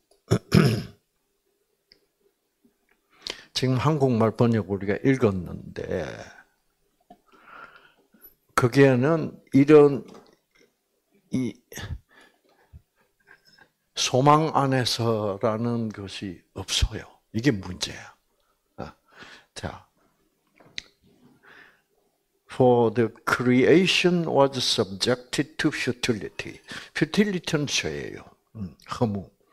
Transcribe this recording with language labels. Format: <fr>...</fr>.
<ko>(웃음) 지금 한국말 번역 우리가 읽었는데 거기에는 이런 이 소망 안에서라는 것이 없어요. 이게 문제야.</ko> <en>자, For the creation was subjected to futility.</en> <ko>Futility는 죄예요. 허무.</ko>